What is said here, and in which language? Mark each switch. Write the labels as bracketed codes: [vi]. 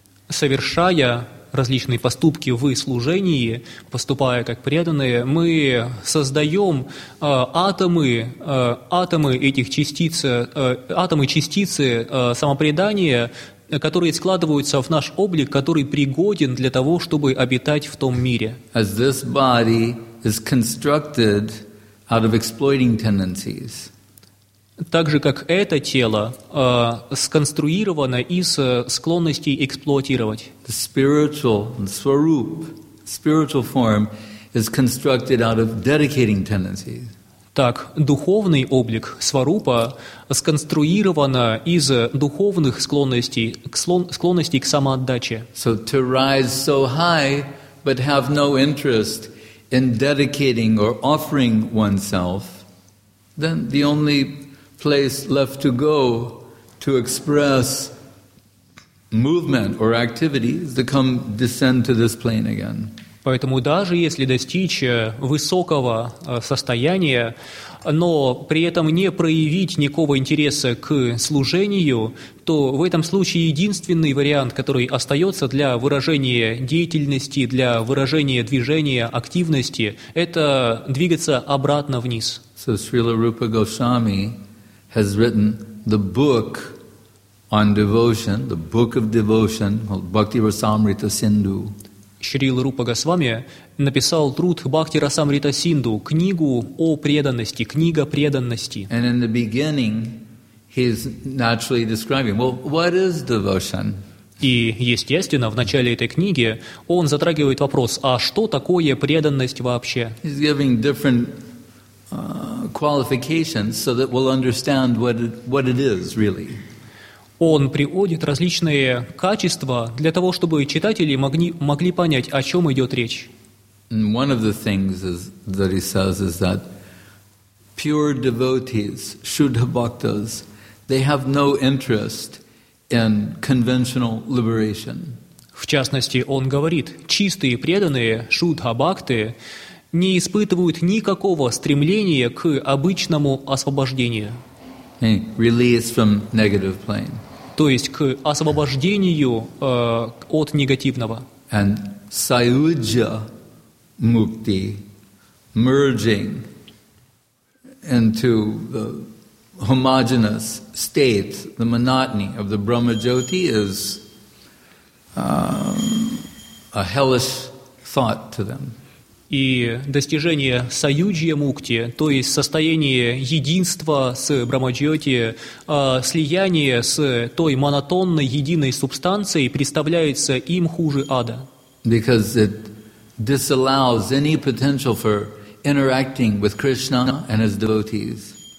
[ru] Совершая различные поступки в служении, поступая как преданные, мы создаем атомы этих частиц, атомы частицы самопредания, которые складываются в наш облик, который пригоден для того, чтобы обитать в том мире. [en] As this body is constructed out of exploiting tendencies. [ru] Так же, как это тело сконструировано из склонностей эксплуатировать. [en] The spiritual, the swarup, spiritual form is constructed out of dedicating tendencies. [ru] Так, духовный облик сварупа сконструировано из духовных склонностей, склонностей к самоотдаче. [en] So to rise so high, but have no interest in dedicating or offering oneself, then the only place left to go to express movement or activities to come descend to this plane again. [ru] Поэтому даже если достичь высокого состояния, но при этом не проявить никакого интереса к служению, то в этом случае единственный вариант, который остается для выражения деятельности, для выражения движения, активности, это двигаться обратно вниз. [en] So Srila Rupa Goswami has written the book on devotion, the book of devotion, called Bhakti Rasamrita Sindhu. [ru] Шрила Рупа Госвами написал труд Бхакти Расамрита Синду, книгу о преданности, книга преданности. [en] And in the beginning, he's naturally describing, well, what is devotion? [ru] И, естественно, в начале этой книги он затрагивает вопрос, а что такое преданность вообще? [en] He's giving different qualifications so that we'll understand what it is really. [ru] Он приводит различные качества для того, чтобы читатели могли понять, о чем идет речь. [en] One of the things that he says is that pure devotees, shuddha bhaktas, they have no interest in conventional liberation. [ru] В частности, он говорит, чистые преданные, шуддха бхакты, не испытывают никакого стремления к обычному освобождению. [en] Release from negative plane. [ru] То есть к освобождению от негативного. [en] And sayujya mukti, merging into the homogeneous state, the monotony of the Brahma Jyoti is a hellish thought to them. [ru] И достижение саюджья мукти, то есть состояние единства с брахмаджьоти, слияние с той монотонной единой субстанцией представляется им хуже ада. [en] Because it disallows any potential for interacting with Krishna and his devotees.